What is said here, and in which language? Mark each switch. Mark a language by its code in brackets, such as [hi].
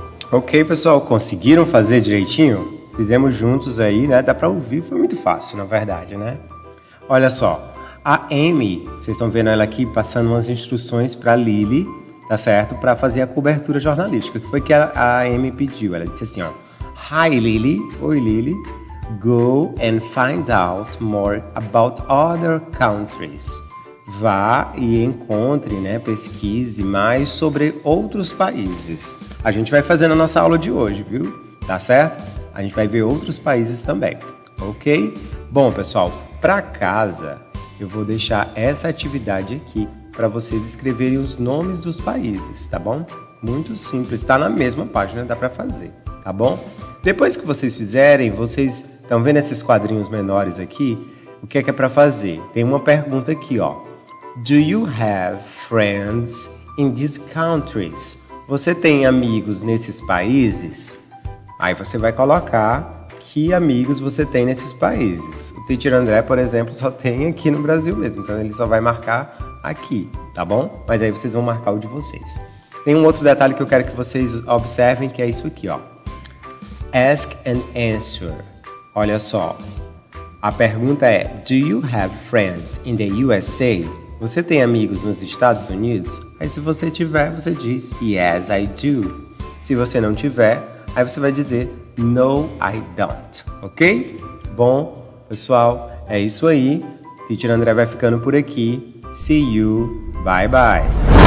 [pt] Ok, pessoal, conseguiram fazer direitinho? Fizemos juntos aí, né? Dá pra ouvir, foi muito fácil, na verdade, né? Olha só, a Amy, vocês estão vendo ela aqui passando umas instruções pra Lily, tá certo? Pra fazer a cobertura jornalística, que foi que a Amy pediu. Ela disse assim, ó, [en] Hi, Lily. [pt] Oi, Lily. [en] Go and find out more about other countries. [pt] Vá e encontre, né, pesquise mais sobre outros países. A gente vai fazer na nossa aula de hoje, viu? Tá certo? A gente vai ver outros países também, ok? Bom, pessoal, para casa, eu vou deixar essa atividade aqui para vocês escreverem os nomes dos países, tá bom? Muito simples, tá na mesma página, dá para fazer, tá bom? Depois que vocês fizerem, vocês estão vendo esses quadrinhos menores aqui? O que é para fazer? Tem uma pergunta aqui, ó. [en] Do you have friends in these countries? [pt] Você tem amigos nesses países? Aí você vai colocar que amigos você tem nesses países. O Teacher André, por exemplo, só tem aqui no Brasil mesmo. Então, ele só vai marcar aqui, tá bom? Mas aí vocês vão marcar o de vocês. Tem um outro detalhe que eu quero que vocês observem, que é isso aqui, ó. [en] Ask and answer. [pt] Olha só. A pergunta é, [en] do you have friends in the USA? [pt] Você tem amigos nos Estados Unidos? Aí se você tiver, você diz, [en] yes, I do. [pt] Se você não tiver, aí você vai dizer, [en] no, I don't. [pt] Ok? Bom, pessoal, é isso aí. Teacher André vai ficando por aqui. [en] See you. Bye, bye.